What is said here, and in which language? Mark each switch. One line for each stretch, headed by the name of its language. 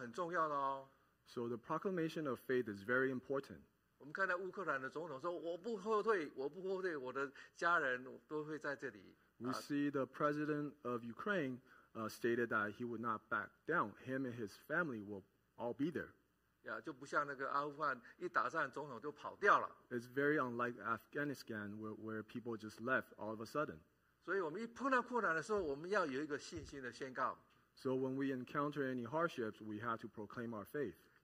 Chinese: 所以说信心宣告很重要的哦。So
English: the proclamation of faith is very important.
Chinese: 我们看到乌克兰的总统说，我不后退，我不后退，我的家人都会在这里。We
English: see the president of Ukraine stated that he would not back down. Him and his family will all be there.
Chinese: Yeah, 就不像那个阿富汗一打仗，总统就跑掉了。It's
English: very unlike Afghanistan, where people just left all of a sudden.
Chinese: 所以我们一碰到困难的时候，我们要有一个信心的宣告。So
English: when we encounter any hardships, we have to proclaim our faith.